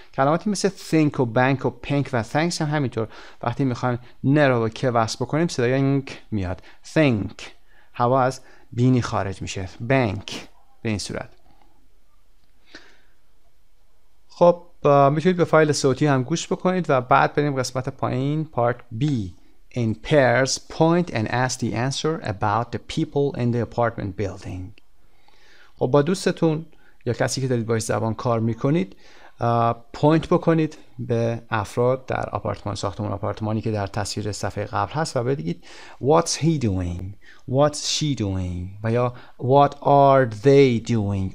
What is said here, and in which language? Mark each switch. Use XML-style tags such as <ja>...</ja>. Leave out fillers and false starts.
<fa>کلماتی مثل think و bank و pink و thanks هم همینطور، وقتی میخوایم n رو با k وصل بکنیم صدای ng میاد. think، هوا از بینی خارج میشه. bank به این صورت. خب میتونید به فایل صوتی هم گوش بکنید و بعد بریم قسمت پایین، part B.</fa> <en>in pairs, point and ask the answer about the people in the apartment building.</en> <fa>خب با دوستتون یا کسی که دارید باهاش زبان کار میکنید پوینت بکنید به افراد در آپارتمان ساختمان آپارتمانی که در تصویر صفحه قبل هست و بگید</fa> <en>What's he doing? What's she doing?</en> <fa>و یا</fa> <en>What are they doing?</en>